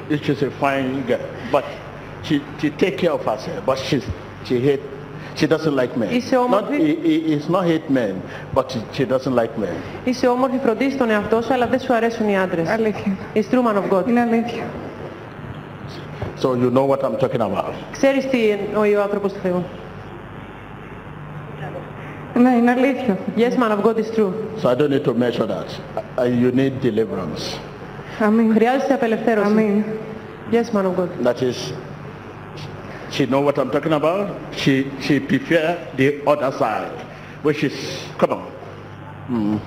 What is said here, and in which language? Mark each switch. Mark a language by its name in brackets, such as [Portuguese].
[English] She's a fine girl, but she take care of herself. But she hate. She doesn't like men. [Greek] Είσαι όμορφη. [English] It's not hate men, but she doesn't like men. [Greek] Είσαι όμορφη, φροντίζεις τον εαυτό σου, αλλά δεν σου αρέσουν οι άντρες. Αλήθεια. [English] It's true, man of God. [Greek] Είναι αλήθεια. [English] So you know what I'm talking about. [Greek] Ξέρεις τι εννοεί ο άνθρωπος του Θεού. Ναι, είναι αλήθεια. [English] Yes, man of God, is true. So I don't need to measure that. You need deliverance. [Greek] Αμήν. Χρειάζεσαι απελευθέρωση. Αμήν. [English] Yes, man of God. That is, she know what I'm talking about. She prefer the other side, which is, come on.